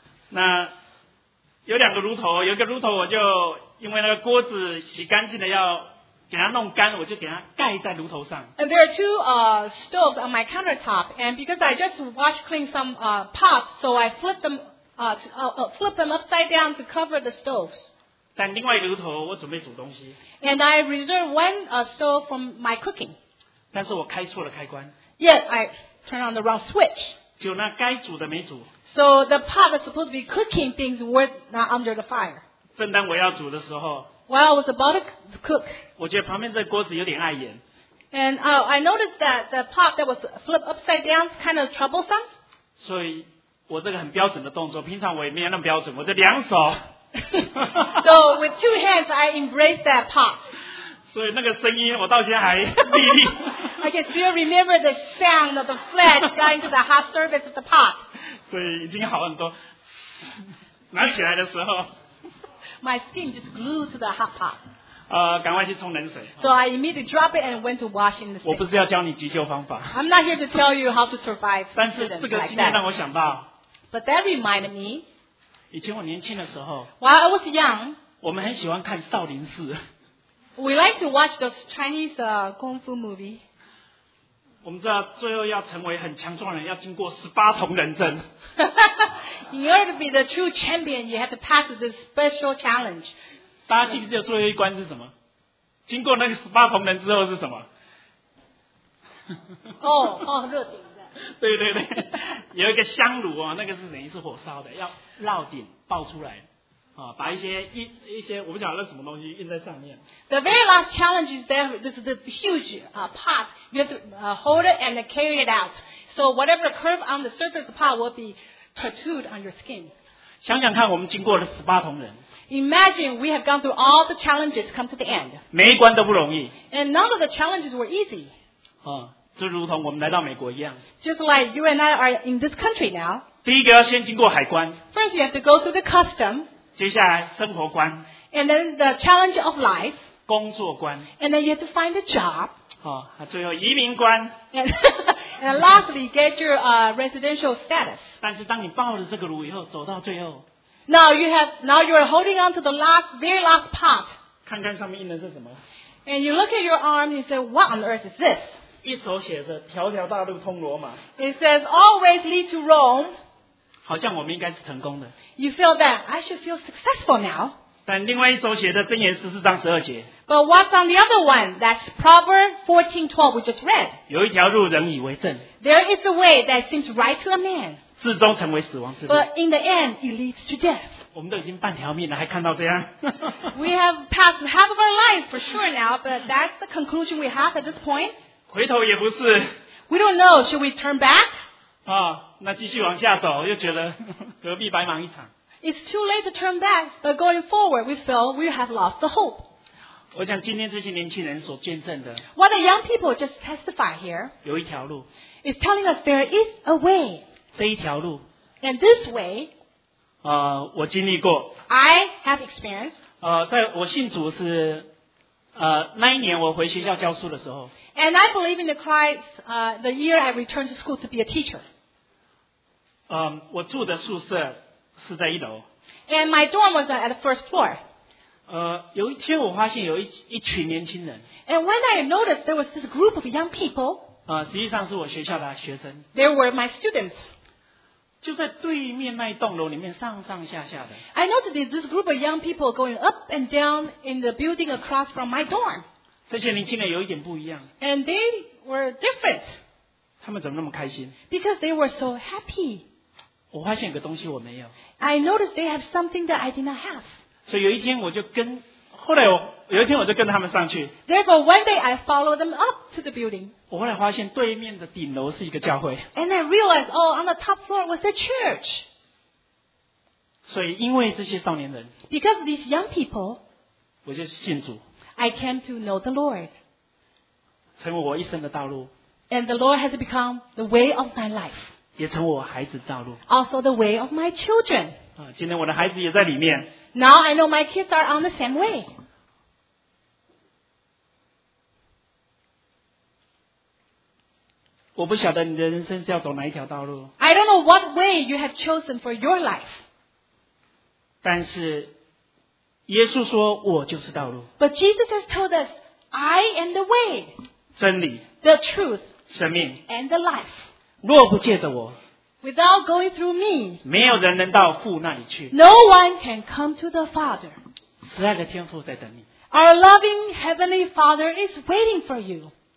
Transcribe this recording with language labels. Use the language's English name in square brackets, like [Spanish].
[Chinese] 那有两个炉头，有一个炉头我就因为那个锅子洗干净了要给它弄干，我就给它盖在炉头上。 [English] And there are two stoves on my countertop, and because I just washed clean some pots, so I flip them upside down to cover the stoves. [Chinese] 但另外一个炉头我准备煮东西。 [English] And I reserve one stove for my cooking. [Chinese] 但是我开错了开关。 [English] Yet I turn on the wrong switch. [Chinese] 就那该煮的没煮。 [English] So the pot that's supposed to be cooking things was not under the fire. [Chinese] 正当我要煮的时候。 [English] While I was about to cook. [Chinese] 我觉得旁边这锅子有点碍眼。 [English] And I noticed that the pot that was flipped upside down is kind of troublesome. [Chinese] 所以我这个很标准的动作平常我也没有那么标准我这两手。 [English] So with two hands, I embraced that pot. [Chinese] 所以那个声音我到现在还历历。 [English] I can still remember the sound of the flesh going to the hot surface of the pot. [Chinese] 所以已经好很多。拿起来的时候。 [English] My skin just glued to the hot pot. [Chinese] 赶快去冲冷水。 [English] So I immediately dropped it and went to wash in the sink. [Chinese] 我不是要教你急救方法。 [English] I'm not here to tell you how to survive. [Chinese] 但是这个经验让我想到。 [English] But that reminded me. [Chinese] 以前我年轻的时候 [English] While I was young, [Chinese] 我们很喜欢看少林寺 [English] We like to watch those Chinese Kung Fu movie [Chinese] 我们知道最后要成为很强壮的人要经过十八铜人阵 [English] In order to be the true champion you have to pass this special challenge [Chinese] 大家记不记得最后一关是什么经过那个十八铜人之后是什么哦热点对对对，有一个香炉啊，那个是等于是火烧的，要烙顶爆出来，啊，把一些我不晓得那什么东西印在上面。 [English] The very last challenge is that this is the huge pot. You have to hold it and carry it out. So whatever curve on the surface of the pot will be tattooed on your skin. [Chinese] 想想看，我们经过了十八铜人。 [English] Imagine we have gone through all the challenges, come to the end. [Chinese] 每一关都不容易。 [English] And none of the challenges were easy. [Chinese] 就如同我们来到美国一样。 [English] Just like you and I are in this country now. [Chinese] 第一个要先经过海关。 [English] First, you have to go through the custom. [Chinese] 接下来生活关。 [English] And then the challenge of life. [Chinese] 工作关。 [English] And then you have to find a job. [Chinese] 最后移民关。 [English] And lastly, get your residential status. [Chinese] 但是当你抱了这个炉以后，走到最后。 [English] Now you are holding on to the last, very last part. [Chinese] 看看上面印的是什么。 [English] And you look at your arm and you say, what on earth is this? [Chinese] 一手写着条条大路通罗马。 [English] It says always lead to Rome. [Chinese] 好像我们应该是成功的。 [English] You feel that I should feel successful now. [Chinese] 但另外一手写着箴言十四章十二节。 [English] But what's on the other one? That's Proverbs 14:12 we just read. [Chinese] 有一条路人以为正。 [English] There is a way that seems right to a man. [Chinese] 至终成为死亡之路。 [English] But in the end, it leads to death. [Chinese] 我们都已经半条命了，还看到这样。 [English] We have passed half of our life for sure now, but that's the conclusion we have at this point. [Chinese] 回头也不是。 [English] We don't know. Should we turn back? [Chinese] 那继续往下走，又觉得何必白忙一场。 [English] It's too late to turn back, but going forward, we feel we have lost the hope. [Chinese] 我想今天这些年轻人所见证的。 [English] What the young people just testify here. [Chinese] 有一条路。 [English] It's telling us there is a way. [Chinese] 这一条路。 [English] And this way. [Chinese] 我经历过。 [English] I have experienced. [Chinese] 在我信主是。那一年我回学校教书的时候。 [English] And I believe in the Christ, the year I returned to school to be a teacher. [Chinese] 我住的宿舍是在一楼。 [English] And my dorm was at the first floor. [Chinese] 有一天我发现有一群年轻人。 [English] And when I noticed there was this group of young people. [Chinese] 实际上是我学校的学生。 [English] They were my students. [Chinese] 就在对面那一栋楼里面上上下下的。 [English] I noticed this group of young people going up and down in the building across from my dorm. [Chinese] 这些年轻人有一点不一样。 [English] And they were different. [Chinese] 他们怎么那么开心 [English] ？Because they were so happy. [Chinese] 我发现有个东西我没有。 [English] I noticed they have something that I did not have. [Chinese] 所以有一天我就跟后来我有一天我就跟他们上去。 [English] Therefore, one day I followed them up to the building. [Chinese] 我后来发现对面的顶楼是一个教会。 [English] And I realized, oh, on the top floor was the church. [Chinese] 所以因为这些少年人。 [English] Because of these young people. [Chinese] 我就信主。 [English] I came to know the Lord. [Chinese] 成为我一生的道路。 [English] And the Lord has become the way of my life. [Chinese] 也成为我孩子的道路。 [English] Also the way of my children. [Chinese] 今天我的孩子也在里面。 [English] Now I know my kids are on the same way. [Chinese] 我不晓得你的人生是要走哪一条道路。 [English] I don't know what way you have chosen for your life. [Chinese] 但是耶稣说我就是道路。 [English] But Jesus has told us, I am the way. [Chinese] 真理。 [English] The truth. [Chinese] 生命。 [English] And the life. [Chinese] 若不借着我。 [English] Without going through me, [Chinese] 没有人能到父那里去。 [English] No one can come to the Father. [Chinese] 慈爱的天父在等你。 [English] Our loving Heavenly Father is waiting for you.